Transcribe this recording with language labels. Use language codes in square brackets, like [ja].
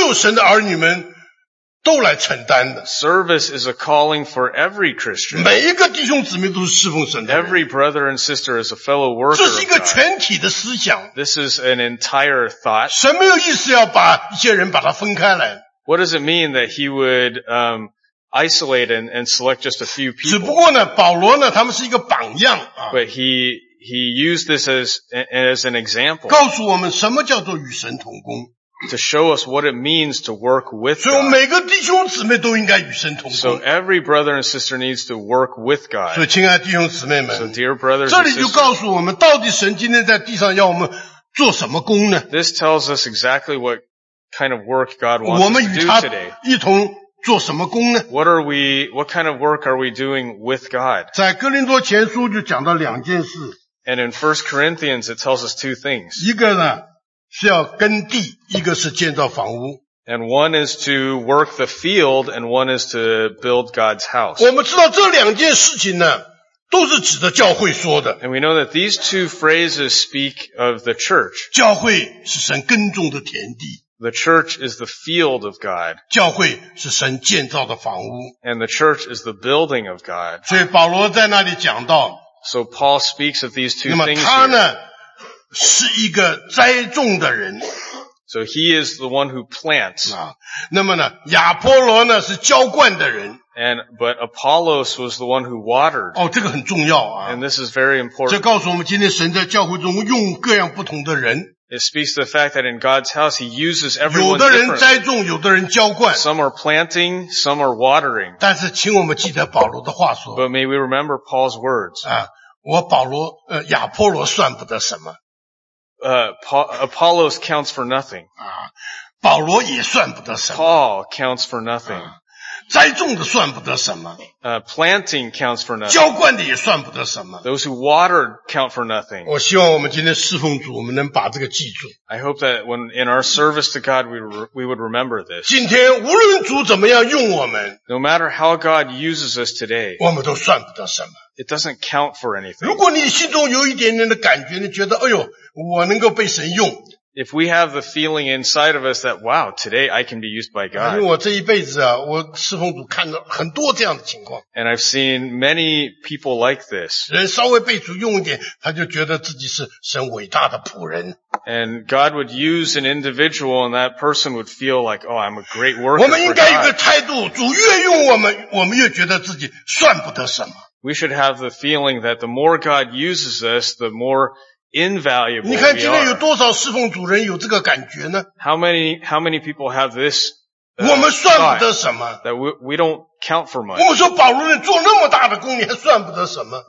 [zh] 是神要所有神的儿女们都来承担的。 [en] Service is a calling for every Christian. [zh] 每一个弟兄姊妹都是侍奉神的。 [en] Every brother and sister is a fellow worker. [zh] 这是一个全体的思想。 [en] This is an entire thought. [zh] 神没有意思要把一些人把它分开来。 [en] What does it mean that he would isolate and select just a few people? [zh] 只不过呢, 保罗呢, 他们是一个榜样, [en] But he used this as an example. [zh] 告诉我们什么叫做与神同工。 [en] To show us what it means to work with God. So every brother and sister needs to work with God. So dear brothers and sisters, this tells us exactly what kind of work God wants us to do today. What kind of work are we doing with God? And in 1 Corinthians it tells us two things. [zh] 是要耕地, [en] and one is to work the field, and one is to build God's house. [zh] 我们知道这两件事情呢, [en] and we know that these two phrases speak of the church. The church is the field of God. And the church is the building of God. So Paul speaks of these two things here. [zh] 是一个栽种的人, [en] so he is the one who plants. [zh] 啊, 那么呢, 亚波罗呢, 是浇灌的人, [en] and, but Apollos was the one who watered. [zh] 哦, 这个很重要啊, [en] and this is very important. [zh] 这告诉我们今天神在教会中用各样不同的人, [en] it speaks to the fact that in God's house he uses everyone [zh] 有的人栽种, [en] differently. Some are planting, some are watering. [zh] 但是请我们记得保罗的话说, [en] but may we remember Paul's words. [zh] 啊, 我保罗, 亚波罗算不得什么。 [en] Apollos counts for nothing. [zh] 啊, 保罗也算不得什么, [en] Paul counts for nothing. [zh] 啊, 栽种的算不得什么, [en] planting counts for nothing. [zh] 浇灌的也算不得什么, [en] those who water count for nothing. [zh] 我希望我们今天侍奉主, [en] I hope that when in our service to God we would remember this. [zh] 今天无论主怎么样用我们, [en] no matter how God uses us today, [zh] 我们都算不得什么, [en] it doesn't count for anything. [zh] 如果你心中有一点点的感觉, 你觉得, 哎呦, 我能够被神用, [en] if we have the feeling inside of us that, wow, today I can be used by God. [zh] 因为我这一辈子啊, 我侍奉主看了很多这样的情况。 [en] And I've seen many people like this. [zh] 人稍微被主用一点, 他就觉得自己是神伟大的仆人。 [en] And God would use an individual and that person would feel like, oh, I'm a great worker. [zh] 我们应该有个态度, 主越用我们, 我们越觉得自己算不得什么。 [en] We should have the feeling that the more God uses us, the more invaluable we are. How many people have this that we don't count for much?